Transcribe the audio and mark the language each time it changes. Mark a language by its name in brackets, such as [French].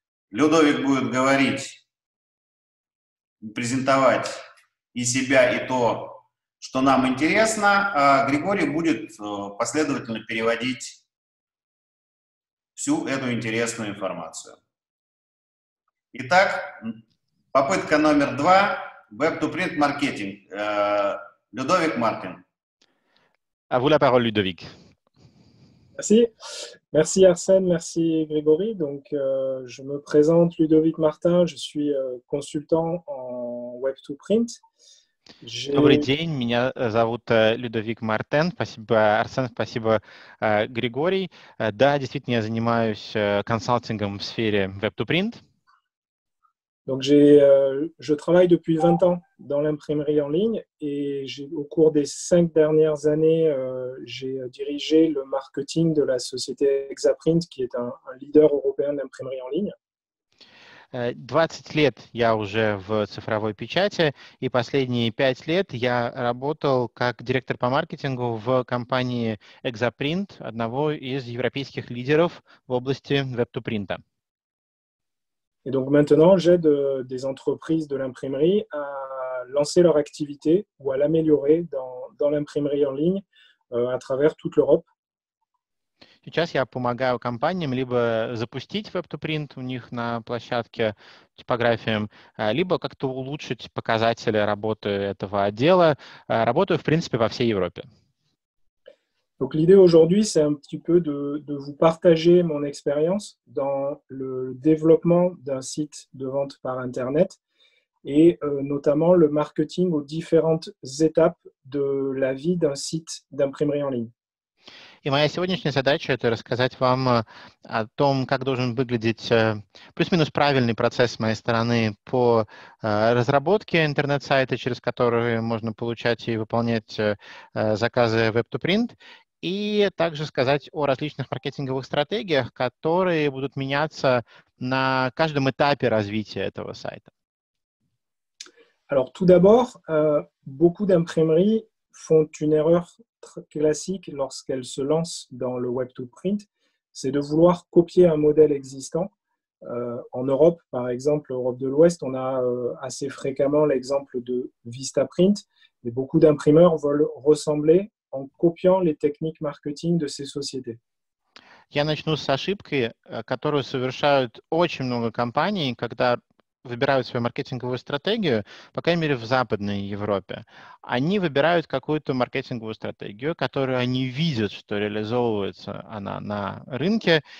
[Russian] Людовик будет говорить, презентовать и себя, и то, что нам интересно, а Григорий будет последовательно переводить всю эту интересную информацию. Итак, попытка номер два. Web2Print маркетинг. Людовик Мартин. [French] À vous la parole, Людовик. Merci. Merci Arsène, merci Grégory. Donc, je me présente Ludovic Martin, je suis consultant en Web2Print. [Russian] Добрый день, меня зовут Людовик Мартен. Спасибо, Арсен, спасибо, Григорий. Да, действительно, я занимаюсь консалтингом в сфере Web2Print. [French] Donc j'ai, je travaille depuis 20 ans dans l'imprimerie en ligne et j'ai, au cours des 5 dernières années, j'ai dirigé le marketing de la société Exaprint, qui est un leader européen d'imprimerie en ligne. [Russian] 20 лет я уже в цифровой печати, и последние 5 лет я работал как директор по маркетингу в компании Exaprint, одного из европейских лидеров в области веб-ту-принта. [French] Et donc maintenant, j'aide des entreprises de l'imprimerie à lancer leur activité ou à l'améliorer dans l'imprimerie en ligne à travers toute l'Europe. [Russian] Сейчас я помогаю компаниям либо запустить Web2Print у них на площадке типографиям, либо как-то улучшить показатели работы этого отдела. Работаю, в принципе, во всей Европе. [French] Donc l'idée aujourd'hui, c'est un petit peu de vous partager mon expérience dans le développement d'un site de vente par Internet et notamment le marketing aux différentes étapes de la vie d'un site d'imprimerie en ligne. [Russian] И моя сегодняшняя задача – это рассказать вам о том, как должен выглядеть плюс-минус правильный процесс с моей стороны по разработке интернет-сайта, через который можно получать и выполнять заказы Web2Print, и также сказать о различных маркетинговых стратегиях, которые будут меняться на каждом этапе развития этого сайта. [French] Alors, tout d'abord, beaucoup d'imprimeries font une erreur classique lorsqu'elle se lance dans le Web2Print, c'est de vouloir copier un modèle existant. En Europe, par exemple, Europe de l'Ouest, on a assez fréquemment l'exemple de Vistaprint, et beaucoup d'imprimeurs veulent ressembler en copiant les techniques marketing de ces sociétés. [Russian] Я начну с ошибки, которую совершают очень много компаний, когда выбирают свою маркетинговую стратегию, по крайней мере, в Западной Европе. Они выбирают какую-то маркетинговую стратегию, которую они видят, что реализовывается она на рынке.